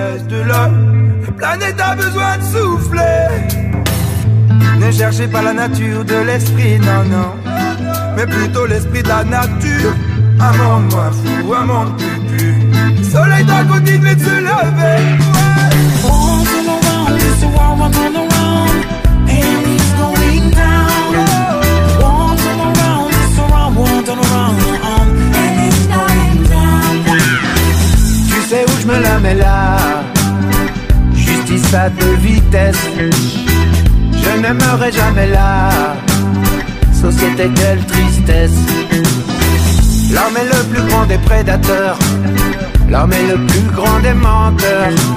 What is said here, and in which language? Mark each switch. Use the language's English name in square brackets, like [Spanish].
[French] De l'homme, la planète a besoin de souffler. Ne cherchez pas la nature de l'esprit, non, non, mais plutôt l'esprit de la nature. Un monde moins fou, un monde plus pur. Le soleil doit continuer de se lever. Ouais. [English] Bombs all around, this war was all around. Aliens going down. Bombs all around, this war was all around. [French] Je me la mets là, justice à deux vitesses. Je n'aimerai jamais la société, quelle tristesse. L'homme est le plus grand des prédateurs, l'homme est le plus grand des menteurs.